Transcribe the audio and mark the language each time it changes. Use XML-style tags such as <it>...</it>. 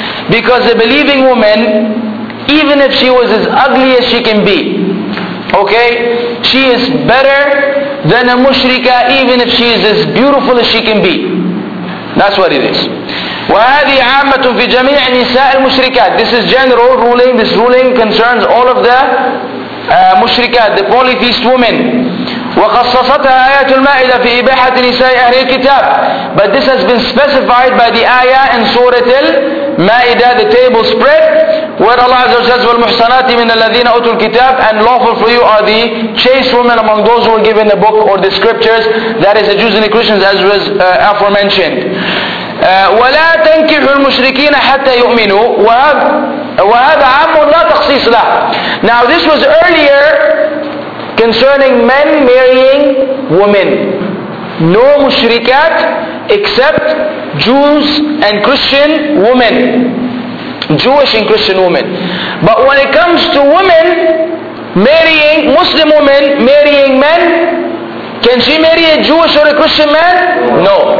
<en>Because a believing woman, even if she was as ugly as she can be, okay, she is better than a mushrika, even if she is as beautiful as she can be. That's what it is.</en> <ar>وهذه عامة في جميع نساء المشركات.</ar> <en>This is general ruling. This ruling concerns all of the mushrikat, the polytheist women.</en> <ar>وقصصتها آيات المائدة في إباحة نساء أهل الكتاب.</ar> <en>But this has been specified by the ayah in Surah Al-Ma'idah, the table spread, where Allah Azza wa Jalla,</en> <ar>والمحصنات من الذين أوتوا الكتاب,</ar> <en>and lawful for you are the chaste women among those who are given the book or the scriptures, that is the Jews and the Christians, as was aforementioned.</en> <ar>ولا تنكحوا المشركين حتى يؤمنوا وهذا عام لا تخصيص له.</ar> <en>Now this was earlier concerning men marrying women. No mushrikat except Jews and Christian women. Jewish and Christian women. But when it comes to women marrying, Muslim women marrying men, can she marry a Jewish or a Christian man? No.</en>